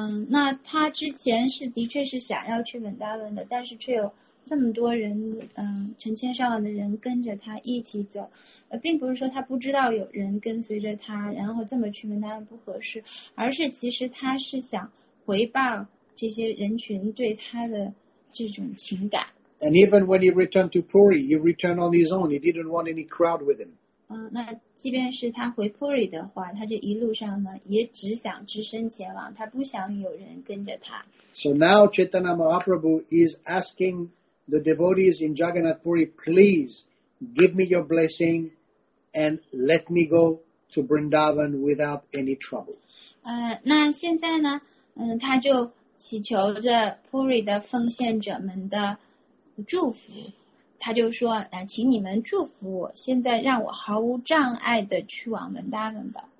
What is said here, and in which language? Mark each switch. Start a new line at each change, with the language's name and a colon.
Chinese: 那他之前是的确是想要去 Vrindavan 的，但是却有这么多人，成千上万的人跟着他一起走，并不是说他不知道有人跟随着他，然后这么去 Vrindavan 不合适，而是其实他是想回报这些人群对他的这种情感。
English: And even when he returned to Puri, he returned on his own. He didn't want any crowd with him.
Chinese: 那即便是他回 Puri 的话，他就一路上呢也只想只身前往，他不想有人跟着他。
English: So now Chaitanya Mahaprabhu is asking the devotees in Jagannath Puri, please give me your blessing and let me go to Vrindavan without any trouble.
Chinese: 那现在呢，他就祈求着 Puri 的奉献者们的祝福，他就说，请你们祝福我，现在让我毫无障碍的去往 Vrindavan 吧。